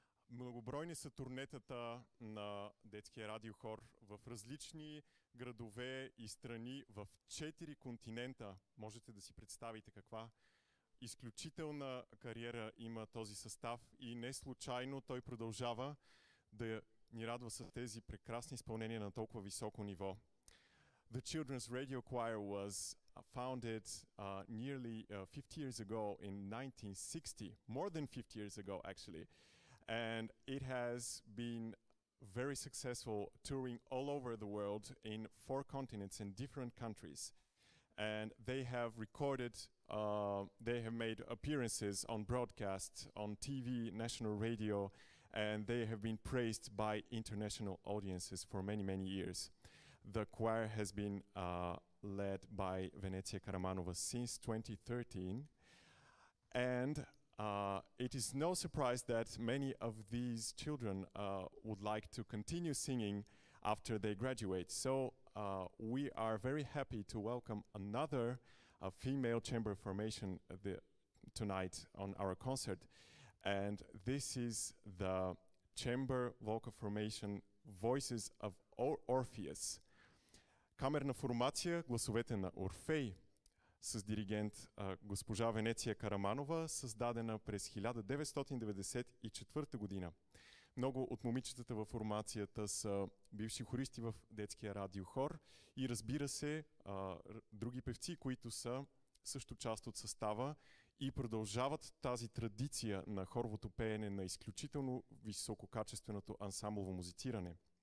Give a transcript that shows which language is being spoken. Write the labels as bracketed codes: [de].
[bg] Многобройни са турнетата на детския радиохор в различни градове и страни в 4 континента. Можете да си представите каква изключителна кариера има този състав и не случайно той продължава да ни радва с тези прекрасни изпълнения на толкова високо ниво. [en] The Children's Radio Choir was founded nearly 50 years ago in 1960, more than 50 years ago actually. And it has been very successful touring all over the world in 4 continents in different countries. And they have recorded, they have made appearances on broadcast, on TV, national radio, and they have been praised by international audiences for many, many years. The choir has been led by Venezia Karamanova since 2013. And it is no surprise that many of these children would like to continue singing after they graduate. So we are very happy to welcome another female chamber formation tonight on our concert. And this is the chamber vocal formation Voices of Orpheus. [bg] Камерна формация Гласовете на Орфей с диригент госпожа Венеция Караманова, създадена през 1994 година. Много от момичетата във формацията са бивши хористи в детския радиохор и разбира се други певци, които са също част от състава и продължават тази традиция на хоровото пеене на изключително висококачественото ансамблово музициране.